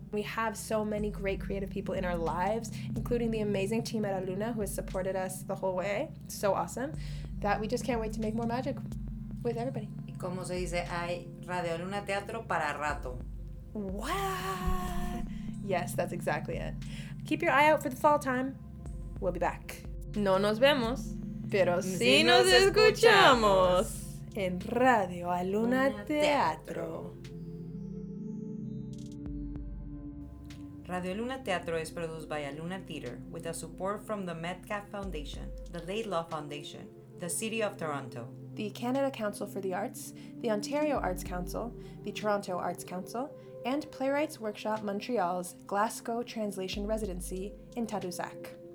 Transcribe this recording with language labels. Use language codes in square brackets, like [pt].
[en] We have so many great creative people in our lives, including the amazing team at Aluna, who has supported us the whole way. So awesome. That we just can't wait to make more magic with everybody. [es] Y como se dice, hay Radio Aluna Teatro para rato. [en] What? Yes, that's exactly it. Keep your eye out for the fall time. We'll be back. [es] No nos vemos, pero sí nos escuchamos en Radio Aluna Teatro. [en] Radio Luna Teatro is produced by Aluna Theater with the support from the Metcalf Foundation, the Laidlaw Foundation, the City of Toronto, the Canada Council for the Arts, the Ontario Arts Council, the Toronto Arts Council, and Playwrights Workshop Montreal's Glasgow Translation Residency in Tadoussac.